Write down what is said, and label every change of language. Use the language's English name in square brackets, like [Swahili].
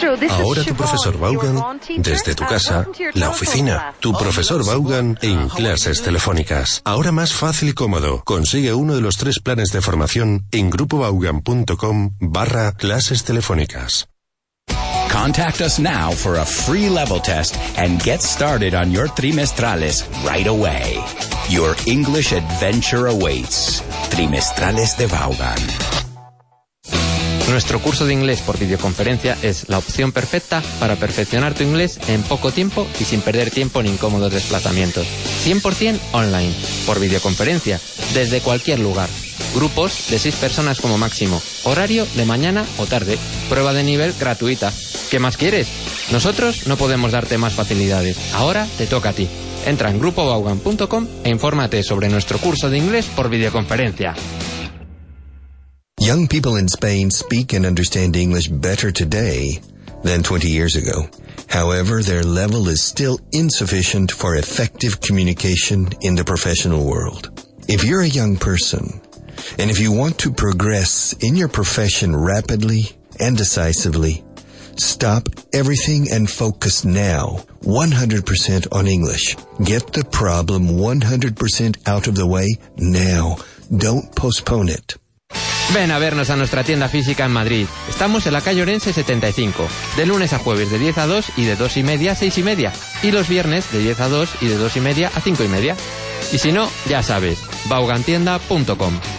[Spanish] Ahora tu profesor Vaughan desde tu casa, la oficina. Tu profesor Vaughan en clases telefónicas. Ahora más fácil y cómodo. Consigue uno de los tres planes de formación en grupovaughan.com/clases telefónicas. [English] Contact us now for a free level test and get started on your trimestrales right away. Your English adventure awaits. Trimestrales de Vaughan. [Spanish] Nuestro curso de inglés por videoconferencia es la opción perfecta para perfeccionar tu inglés en poco tiempo y sin perder tiempo en incómodos desplazamientos. 100% online, por videoconferencia, desde cualquier lugar. Grupos de 6 personas como máximo. Horario de mañana o tarde. Prueba de nivel gratuita. ¿Qué más quieres? Nosotros no podemos darte más facilidades. Ahora te toca a ti. Entra en grupovaughan.com e infórmate sobre nuestro curso de inglés por videoconferencia. [English] Young people in Spain speak and understand English better today than 20 years ago. However, their level is still insufficient for effective communication in the professional world. If you're a young person, and if you want to progress in your profession rapidly and decisively, stop everything and focus now 100% on English. Get the problem 100% out of the way now. Don't postpone it. [Spanish] Ven a vernos a nuestra tienda física en Madrid. Estamos en la calle Orense 75, de lunes a jueves de 10 a 2 y de 2 y media a 6 y media. Y los viernes de 10 a 2 y de 2 y media a 5 y media. Y si no, ya sabes, vaughantienda.com.